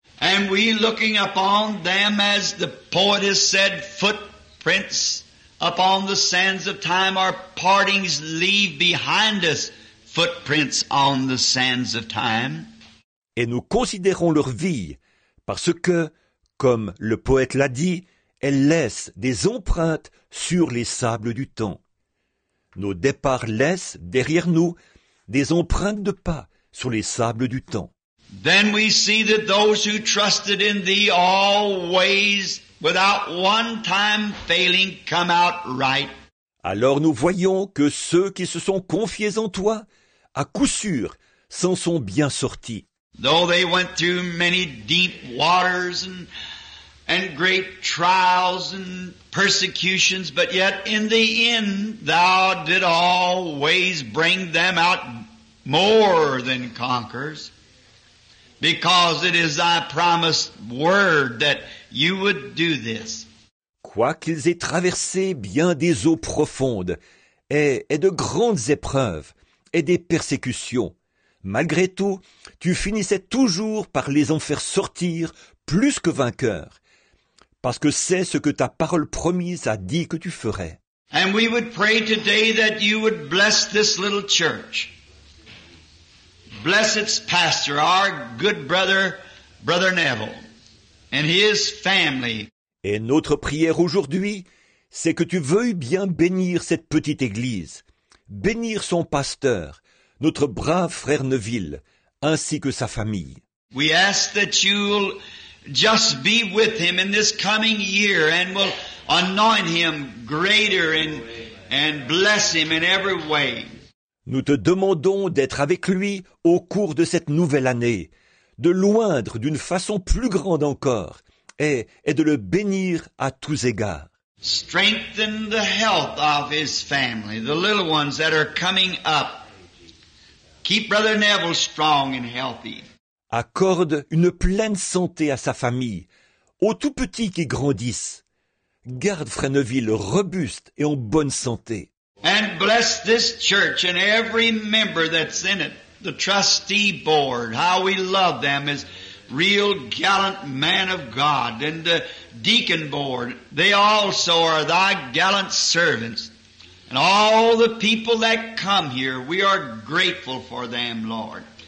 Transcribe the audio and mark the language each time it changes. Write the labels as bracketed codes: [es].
[en] And we looking upon them as the poet has said, footprints upon the sands of time, our partings leave behind us footprints on the sands of time. [fr] Et nous considérons leur vie, parce que, comme le poète l'a dit, elles laissent des empreintes sur les sables du temps. Nos départs laissent, derrière nous, des empreintes de pas sur les sables du temps. [en] Then we see that those who trusted in thee always, without one time failing, come out right. [fr] Alors nous voyons que ceux qui se sont confiés en toi, à coup sûr, s'en sont bien sortis. [en] Though they went through many deep waters and great trials and persecutions, but yet in the end thou did always bring them out more than conquerors, because it is thy promised word that you would do this. [fr] Quoiqu'ils aient traversé bien des eaux profondes et de grandes épreuves et des persécutions, malgré tout, tu finissais toujours par les en faire sortir plus que vainqueurs, parce que c'est ce que ta parole promise a dit que tu ferais. [en] And we would pray today that you would bless this little church. Bless its pastor, our good brother, Brother Neville, and his family. [fr] Et notre prière aujourd'hui, c'est que tu veuilles bien bénir cette petite église, bénir son pasteur, notre brave frère Neville, ainsi que sa famille. [en] We ask that you'll just be with him in this coming year and will anoint him greater and bless him in every way. [fr] Nous te demandons d'être avec lui au cours de cette nouvelle année, de loindre d'une façon plus grande encore et de le bénir à tous égards. [en] Strengthen the health of his family, the little ones that are coming up. Keep Brother Neville strong and healthy. [fr] Accorde une pleine santé à sa famille, aux tout petits qui grandissent. Garde Fresneville robuste et en bonne santé. [en] And bless this church and every member that's in it, the trustee board, how we love them as real gallant men of God, and the deacon board, they also are thy gallant servants. And all the people that come here, we are grateful for them, Lord.